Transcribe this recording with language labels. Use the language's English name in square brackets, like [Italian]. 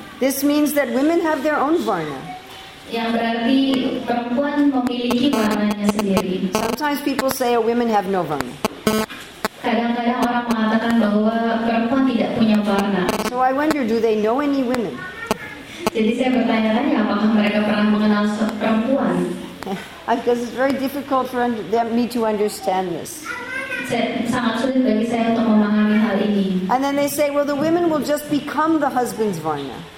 [English] This means that women have their own varna. [Indonesian] Yang berarti perempuan memiliki warnanya sendiri. [English] Sometimes people say a woman have no varna. [Indonesian] Kadang-kadang orang mengatakan bahwa perempuan tidak punya warna. [English] So I wonder, do they know any women? [Indonesian] Jadi saya bertanya-tanya apakah mereka pernah mengenal perempuan? [English] Because it's very difficult for me to understand this. [Indonesian] Sangat sulit bagi saya untuk memahami hal ini. [English] And then they say, well, the women will just become the husband's varna.